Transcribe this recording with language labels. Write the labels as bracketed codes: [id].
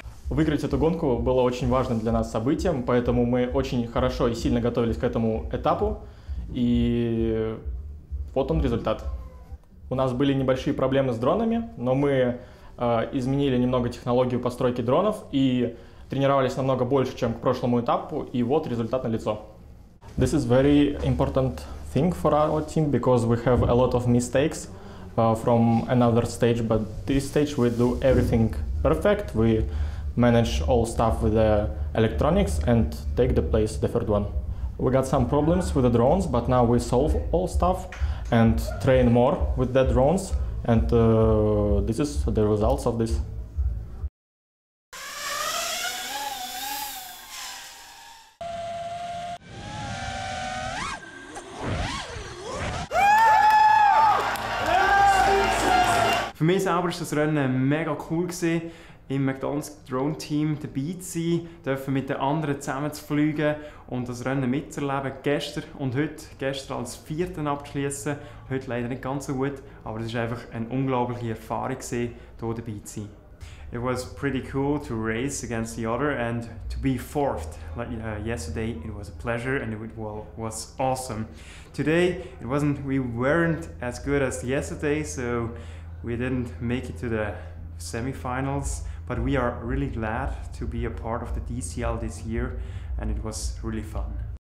[ru] Выиграть эту гонку было очень важным для нас событием, поэтому мы очень хорошо и сильно готовились к этому этапу, и вот он результат. У нас были небольшие проблемы с дронами, но мы изменили немного технологию постройки дронов и тренировались намного больше, чем к прошлому этапу, и вот результат налицо. [en] This is very important thing for our team because we have a lot of mistakes from another stage, but this stage we do everything perfect. We manage all stuff with the electronics and take the place, the third one. We got some problems with the drones, but now we solve all stuff and train more with the drones, and this is the results of this. [de] Für mich selber ist das Rennen mega cool gewesen. Im McDonald's Drone Team dabei zu sein, dürfen mit den anderen zusammen zu fliegen und das Rennen mitzuerleben, gestern und heute. Gestern als Vierten abschließen, heute leider nicht ganz so gut, aber es war einfach eine unglaubliche Erfahrung, hier dabei zu sein. [en] It was pretty cool to race against the other and to be fourth. Like yesterday, it was a pleasure and it was awesome. Today, we weren't as good as yesterday, so we didn't make it to the semi-finals, but we are really glad to be a part of the DCL this year, and it was really fun.